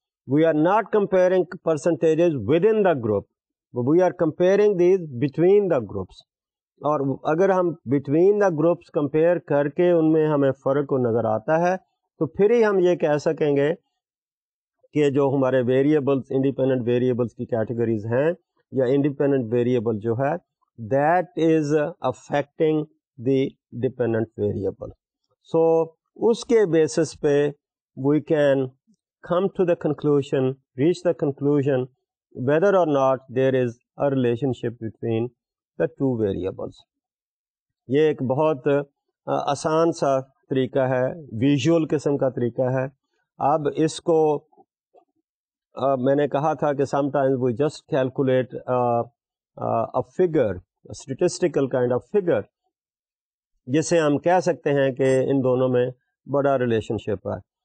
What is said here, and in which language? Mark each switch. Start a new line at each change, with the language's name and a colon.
English: we are not comparing percentages with in the group, we are comparing these between the groups,
Urdu: اور اگر ہم between the groups compare کر کے ان میں ہمیں فرق کو نظر آتا ہے تو پھر ہی ہم یہ کہہ سکیں گے کہ جو ہمارے ویریبلس انڈیپینڈنٹ ویریبلس کی کیٹیگریز ہیں یا انڈیپینڈنٹ ویریبل جو ہے
English: That is affecting the dependent variable.
Urdu: سو اس کے بیسس پہ
English: We can come to the conclusion, reach the conclusion whether or not there is a relationship between the two variables.
Urdu: یہ ایک بہت آسان سا طریقہ ہے, ویژول قسم کا طریقہ ہے. اب اس کو میں نے کہا تھا کہ
English: sometimes we just calculate a figure, statistical kind of figure,
Urdu: جسے ہم کہہ سکتے ہیں کہ ان دونوں میں بڑا ریلیشن شپ ہے.